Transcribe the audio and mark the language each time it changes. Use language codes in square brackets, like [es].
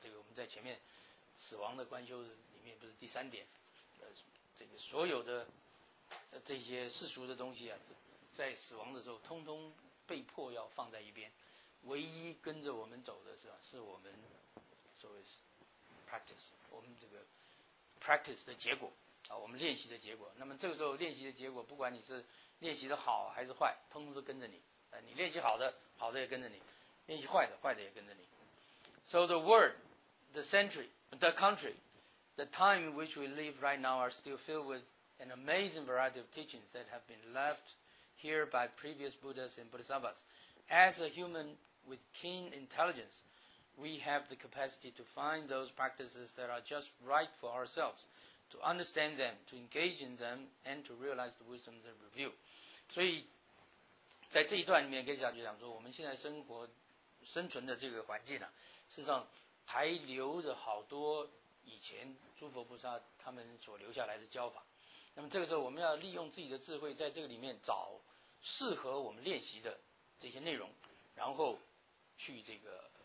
[zh] 这个我们在前面死亡的观修里面不是第三点，这个所有的这些世俗的东西啊，在死亡的时候通通被迫要放在一边，唯一跟着我们走的是吧、啊？是我们。 [en] So it's practice， [zh] 我们这个 practice 的结果啊，我们练习的结果。那么这个时候练习的结果，不管你是练习的好还是坏，通通都跟着你。你练习好的，好的也跟着你；练习坏的，坏的也跟着你。 [en] So the world, the century, the country, the time in which we live right now are still filled with an amazing variety of teachings that have been left here by previous Buddhas and Bodhisattvas. As a human with keen intelligence. We have the capacity to find those practices that are just right for ourselves, to understand them, to engage in them, and to realize the wisdom they reveal. [zh] 所以，在这一段里面，跟小姐讲说，我们现在生存的这个环境呢、啊，事实上还留着好多以前诸佛菩萨他们所留下来的教法。那么这个时候，我们要利用自己的智慧，在这个里面找适合我们练习的这些内容，然后去这个。